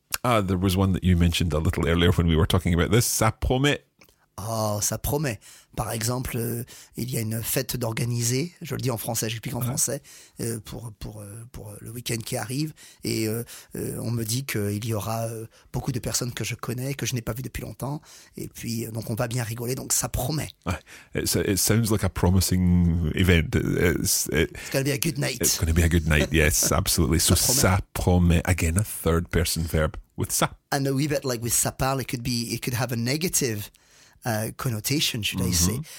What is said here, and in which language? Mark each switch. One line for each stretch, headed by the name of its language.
English: there was one that you mentioned a little earlier when we were talking about this.
French: Ça promet. Oh, ça promet. Par exemple, il y a une fête d'organiser. Je le dis en français, j'explique en français, pour le week-end qui arrive. Et on me dit qu'il y aura beaucoup de personnes que je connais, que je n'ai pas vues depuis longtemps. Et puis, donc on va bien rigoler. Donc, ça promet.
English: It sounds like a promising event. It's going to be a good night. It's going to be a good night, yes, absolutely. So,
French: ça promet.
English: Again, a third person verb with ça. And a wee bit like with ça parle, it could have a negative connotation, should I say.